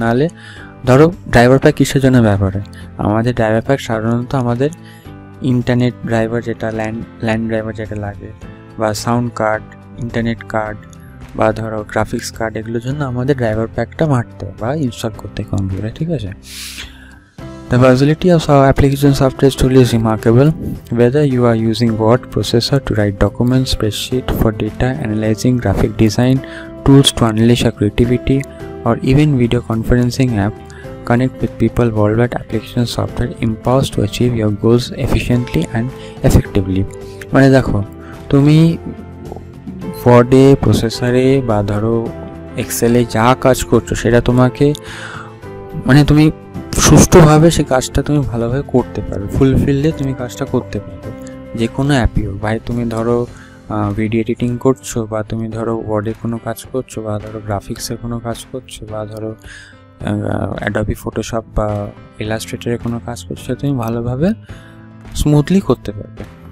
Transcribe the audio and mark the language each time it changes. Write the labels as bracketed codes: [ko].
[bn] নাহলে ধরো driver pack কিসের জন্য ব্যবহার হয়? আমাদের ড্রাইভার প্যাক সাধারণত আমাদের ইন্টারনেট ড্রাইভার, যেটা ল্যান্ড ড্রাইভার যেটা লাগে, বা সাউন্ড কার্ড, ইন্টারনেট কার্ড, বা ধরো গ্রাফিক্স কার্ড, এগুলোর জন্য আমাদের ড্রাইভার প্যাকটা মারতে হয় বা ইনস্টল করতে কম্পিউটারে, ঠিক আছে। [en] The versatility of our application software is truly remarkable. Whether you are using Word processor to write documents, spreadsheet for data analyzing, graphic design tools to unleash your creativity, or even video conferencing app, connect with people worldwide. Application software empowers to achieve your goals efficiently and effectively. [bn] মানে দেখো, তুমি ওয়ার্ডে, প্রসেসরে বা ধরো এক্সেলে যা কাজ করছো সেটা তোমাকে, মানে তুমি সুষ্ঠুভাবে সে কাজটা তুমি ভালোভাবে করতে পারবে, ফুলফিলে তুমি কাজটা করতে পারবে, যে কোনো অ্যাপই হোক, ভাই তুমি ধরো ভিডিও এডিটিং করছো, বা তুমি ধরো ওয়ার্ডে কোনো কাজ করছো, বা ধরো গ্রাফিক্সের কোনো কাজ করছো, বা ধরো অ্যাডোবি ফটোশপ বা ইলাস্ট্রেটারে কোনো কাজ করছো, সেটা তুমি ভালোভাবে স্মুথলি করতে পারবে।